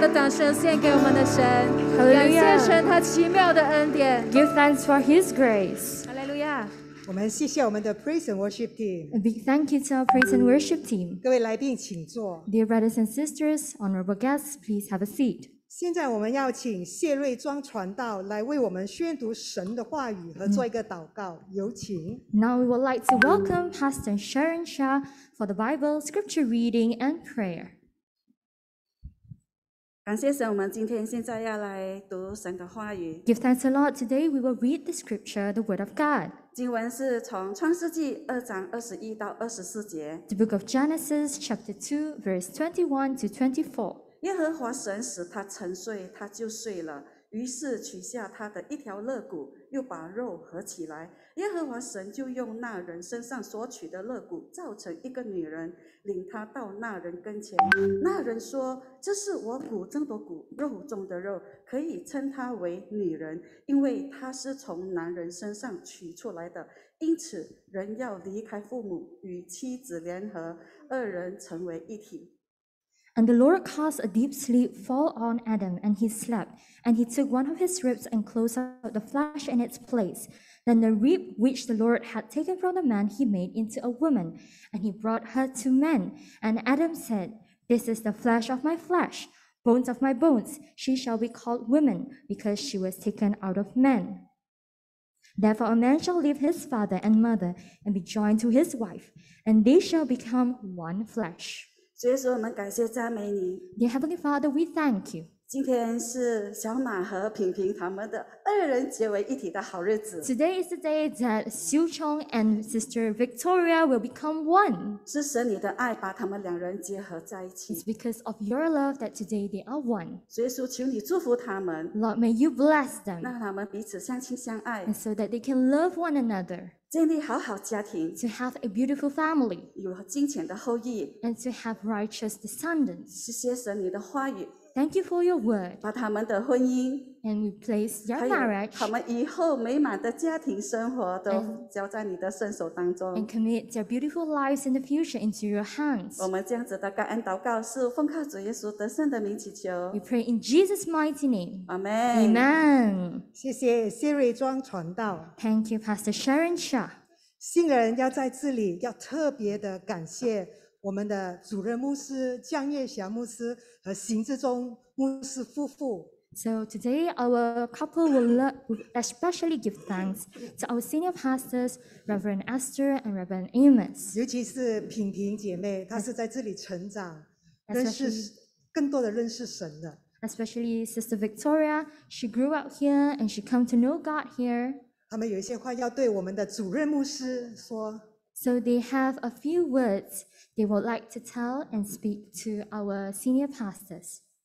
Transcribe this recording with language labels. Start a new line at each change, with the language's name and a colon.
Chinese: 神献给我们的神，感谢神他奇妙的恩典。
English: Give thanks for His grace. Hallelujah.
Chinese: 我们谢谢我们的
English: Praise and Worship Team. A big thank you to our Praise and Worship Team.
Chinese: 各位来宾请坐。
English: Dear brothers and sisters, honorable guests, please have a seat.
Chinese: 现在我们要请谢瑞庄传道来为我们宣读神的话语和做一个祷告。有请。
English: Now we would like to welcome Pastor Sharon Shah for the Bible Scripture reading and prayer.
Chinese: 感谢神，我们今天现在要来读神的话语。
English: Give thanks a lot. Today we will read the scripture, the word of God.
Chinese: 经文是从创世纪二章二十一到二十四节。
English: The book of Genesis, chapter 2, verse 21 to 24.
Chinese: 耶和华神使他沉睡，他就睡了。于是取下他的一条肋骨，又把肉合起来。耶和华神就用那人身上所取的肋骨造成一个女人，领她到那人跟前。那人说，这是我骨中的骨，肉中的肉，可以称她为女人，因为她是从男人身上取出来的。因此人要离开父母，与妻子联合，二人成为一体。
English: And the Lord caused a deep sleep fall on Adam, and he slept. And he took one of his ribs and closed up the flesh in its place. Then the rib which the Lord had taken from the man he made into a woman, and he brought her to man. And Adam said, This is the flesh of my flesh, bones of my bones. She shall be called woman, because she was taken out of man. Therefore a man shall leave his father and mother, and be joined to his wife, and they shall become one flesh.
Chinese: 主耶稣，我们感谢赞美你。
English: Dear Heavenly Father, we thank you.
Chinese: 今天是小马和平平他们的二人结为一体的好日子。
English: Today is the day that Xiu Chong and Sister Victoria will become one.
Chinese: 是神你的爱把他们两人结合在一起。
English: It's because of your love that today they are one.
Chinese: 主耶稣，求你祝福他们。
English: Lord, may you bless them.
Chinese: 让他们彼此相亲相爱。
English: And so that they can love one another.
Chinese: 建立好好家庭
English: ，to have a beautiful family，
Chinese: 有金钱的后裔
English: ，and to have righteous descendants。
Chinese: 谢谢神你的话语
English: ，thank you for your word。
Chinese: 把他们的婚姻
English: ，and we place your marriage，
Chinese: 他们以后美满的家庭生活都交在你的圣手当中
English: ，and commit their beautiful lives in the future into your hands。
Chinese: 我们这样子的感恩祷告是奉靠主耶稣得胜的名祈求。
English: We pray in Jesus' mighty name。 Amen。 Amen。
Chinese: 谢谢谢瑞庄传道。
English: Thank you, Pastor Sharon Shah。
Chinese: 新人要在这里要特别的感谢我们的主任牧师江月霞牧师和邢志忠牧师夫妇。
English: So today our couple will especially give thanks to our senior pastors, Reverend Esther and Reverend Amos.
Chinese: 尤其是平平姐妹，她是在这里成长，认识更多的认识神的。
English: Especially Sister Victoria, she grew up here and she came to know God here.
Chinese: 他们有一些话要对我们的主任牧师说。
English: So they have a few words they would like to tell and speak to our senior pastors.